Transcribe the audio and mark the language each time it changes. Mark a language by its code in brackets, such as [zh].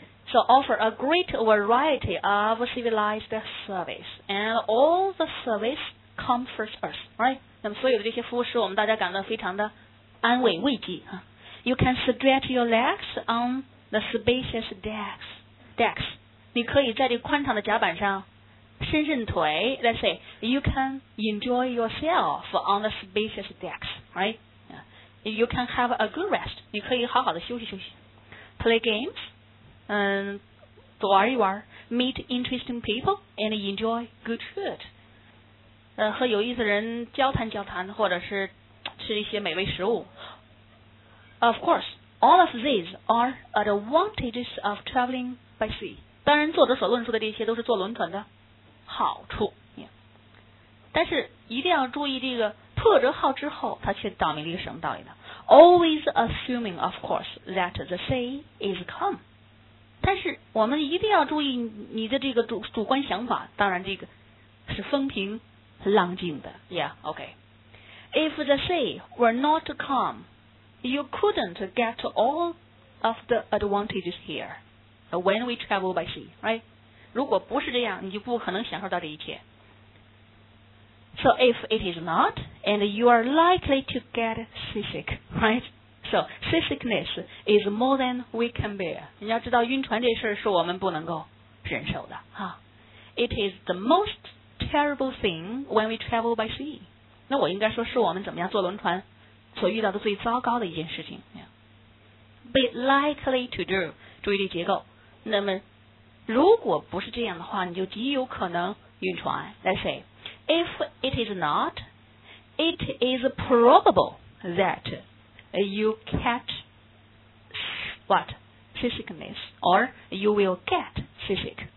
[en] So offer a great variety of civilized service and all the service comforts us, right? [zh] 那么所有的这些服务使我们大家感到非常的安慰慰藉。 [en] You can stretch your legs on the spacious decks. [zh] 你可以在这宽敞的甲板上伸伸腿。 [en] Let's say, you can enjoy yourself on the spacious decks, right? You can have a good rest. [zh] 你可以好好的休息休息。 [en] Play games, [zh] 多玩一玩。 [en] Meet interesting people and enjoy good food. [zh] 和有意思的人交谈交谈，或者是吃一些美味食物。 [en] Of course, all of these are advantages of traveling by sea. [zh] 当然，作者所论述的这些都是坐轮船的好处。 Yeah. 但是一定要注意，这个破折号之后，他却道明了一个什么道理呢 ？ [en] Always assuming, of course, that the sea is calm. [zh] 但是我们一定要注意你的这个主观想法，当然这个是风平。浪静的 [en] ，Yeah, okay. If the sea were not calm, you couldn't get all of the advantages here when we travel by sea, right? [zh] 如果不是这样，你就不可能享受到这一切。 [en] So if it is not, and you are likely to get seasick, right? So seasickness is more than we can bear. [zh] 你要知道，晕船这事儿是我们不能够忍受的，哈。 [en] It is the most terrible thing when we travel by sea. [zh] 那我应该说是我们怎么样坐轮船所遇到的最糟糕的一件事情。 [en] Be likely to do， [zh] 注意这结构。那么如果不是这样的话，你就极有可能晕船。 [en] Let's say if it is not， it is probable that you catch what seasickness or you will get seasick。